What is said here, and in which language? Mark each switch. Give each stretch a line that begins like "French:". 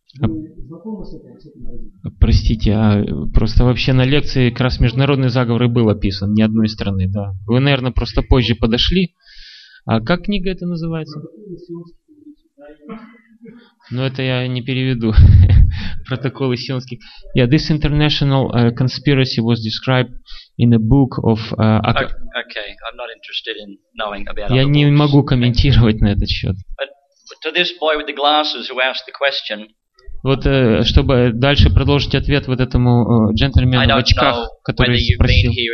Russian: Вы знакомы с этим? Простите, а просто вообще на лекции как раз международный заговор и был описан, ни одной страны, да. Вы, наверное, просто позже подошли. А как книга эта называется? «Протоколы сионских мудрецов». Но это я не переведу. Протоколы сионских.
English: Yeah, this international conspiracy was described in a book of. Okay, I'm not interested in knowing about.
Russian: Я не могу комментировать на этот счет.
English: But to this boy with the glasses who asked the question.
Russian: Вот чтобы дальше продолжить ответ вот этому джентльмену в очках, который спросил.